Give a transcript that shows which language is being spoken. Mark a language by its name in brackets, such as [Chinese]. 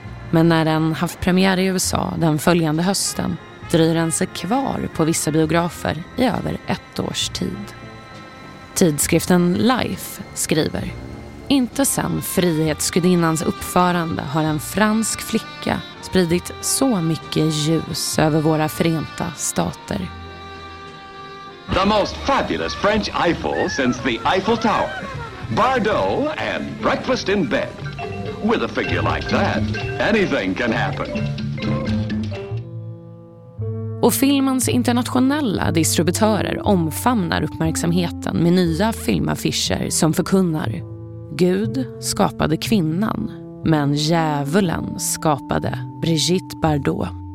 [Swedish] Men när den haft premiär i USA den följande hösten dröjer den sig kvar på vissa biografer i över ett års tid. Tidskriften Life skriver: inte sen Frihetsgudinnans uppförande har en fransk flicka spridit så mycket ljus över våra Förenta Stater. [English] The most fabulous French Eiffel since the Eiffel Tower. Bardot and breakfast in bed. With a figure like that, anything can happen. [Swedish] Och filmens internationella distributörer omfamnar uppmärksamheten med nya filmaffischer som förkunnar: Gud skapade kvinnan, men djävulen skapade Brigitte Bardot.